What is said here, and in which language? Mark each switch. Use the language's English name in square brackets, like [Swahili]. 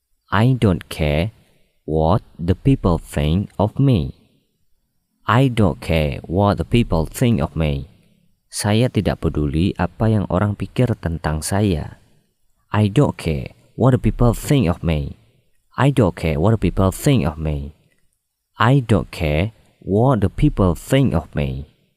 [English] I don't care what the people think of me. I don't care what the people think of me. [Indonesian] Saya tidak peduli apa yang orang pikir tentang saya. [English] I don't care what the people think of me. I don't care what the people think of me. I don't care what the people think of me.